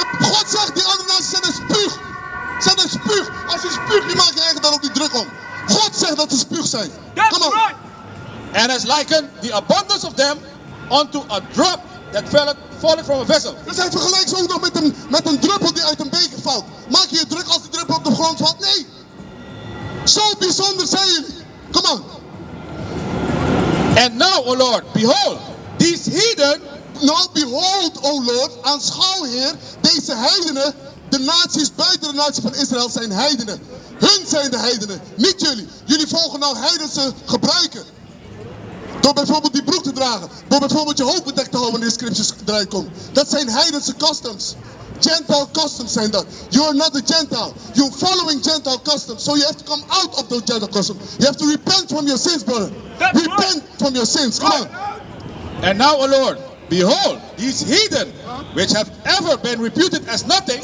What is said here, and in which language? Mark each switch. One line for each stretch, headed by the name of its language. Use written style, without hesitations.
Dutch: God zegt, die andere mensen zijn een spuug. Zijn een spuug. Als je spuug, die maak je eigenlijk dan ook niet druk om. God zegt dat ze spuug zijn.
English: That's come on. Right. And as liken the abundance of them unto a drop that falleth from a vessel.
Dutch: Dus hij vergelijkt ze ook nog met een druppel die uit een beker valt. Maak je druk als die druppel op de grond valt? Nee. Zo bijzonder zijn jullie.
English: Come on. And now, O Lord, behold, these heathen. Now behold, O Lord,
Dutch: aanschouw Heer, deze heidenen, de naties buiten de natie van Israël zijn heidenen. Hun zijn de heidenen, niet jullie. Jullie volgen nou heidense gebruiken. Door bijvoorbeeld die broek te dragen, door bijvoorbeeld je hoofd bedekt te houden wanneer de scriptures eruit komen. Dat zijn heidense customs. Gentile customs zijn dat.
English: You are not a Gentile. You're following Gentile customs. So you have to come out of those Gentile customs. You have to repent from your sins, brother. That's repent right. From your sins, come on. And now, O Lord. Behold, these heathen, which have ever been reputed as nothing.